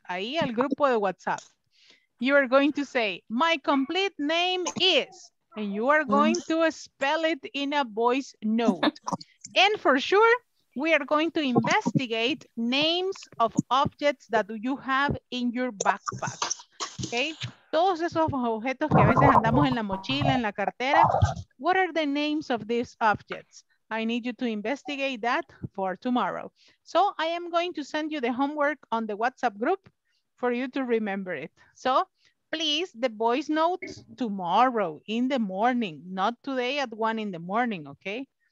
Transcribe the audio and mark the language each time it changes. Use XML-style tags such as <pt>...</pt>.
<es>Ahí al grupo de WhatsApp.</es> <en>You are going to say, my complete name is, and you are going to spell it in a voice note. And for sure, we are going to investigate names of objects that you have in your backpack. Okay?</en> <es>Todos esos objetos que a veces andamos en la mochila, en la cartera.</es> <en>What are the names of these objects? I need you to investigate that for tomorrow. So I am going to send you the homework on the WhatsApp group for you to remember it. So please, the voice note tomorrow in the morning, not today at 1 a.m, okay?</en>